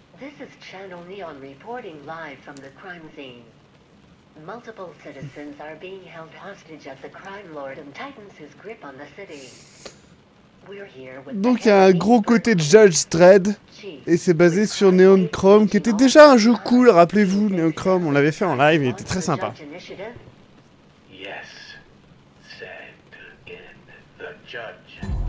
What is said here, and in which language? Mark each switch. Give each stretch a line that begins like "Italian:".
English: This is Channel Neon reporting live from the crime scene. Multiple citizens are being held hostage as the crime lord and tightens his grip on the city. We're here with...
French: Donc il y a un gros côté de Judge Dredd. Et c'est basé sur Neon Chrome, qui était déjà un jeu cool, rappelez-vous, Neon Chrome. On l'avait fait en live, il était très sympa.
English: Yes, said again, the judge.